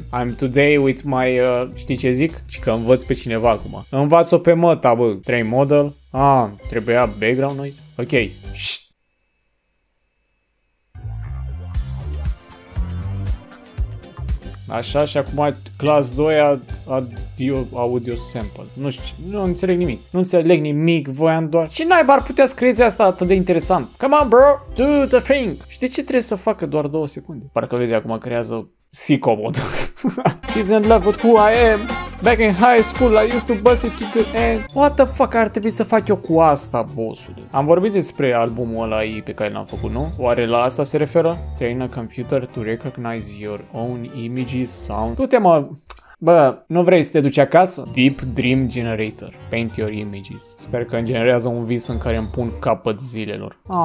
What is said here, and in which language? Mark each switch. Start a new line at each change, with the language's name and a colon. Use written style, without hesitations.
English: I'm today with my,
Romanian: știi ce zic? Și că învăț pe cineva acum. Învaț-o pe măta, bă.
English: Train model.
Romanian: Ah, trebuia
English: background noise.
Romanian: Ok, șt. Așa, și acum
English: class 2 audio sample.
Romanian: Nu știu, nu înțeleg nimic. Nu înțeleg nimic, voiam doar. Ce naiba ar putea scrie asta atât de interesant?
English: Come on, bro, do the thing.
Romanian: Și de ce trebuie să facă doar 2 secunde? Parcă vezi, acum creează sicko mode.
English: She's in love with who I am. Back in high school, I used to bust it to the end. What the fuck
Romanian: ar trebui să fac eu cu asta, bossule? Am vorbit despre albumul ăla ei pe care l-am făcut, nu? Oare la asta se referă?
English: Train a computer to recognize your own images, sound.
Romanian: Tu te-mă... Bă, nu vrei să te duci acasă? Deep Dream Generator.
English: Paint your images.
Romanian: Sper că îmi generează un vis în care îmi pun capăt zilelor.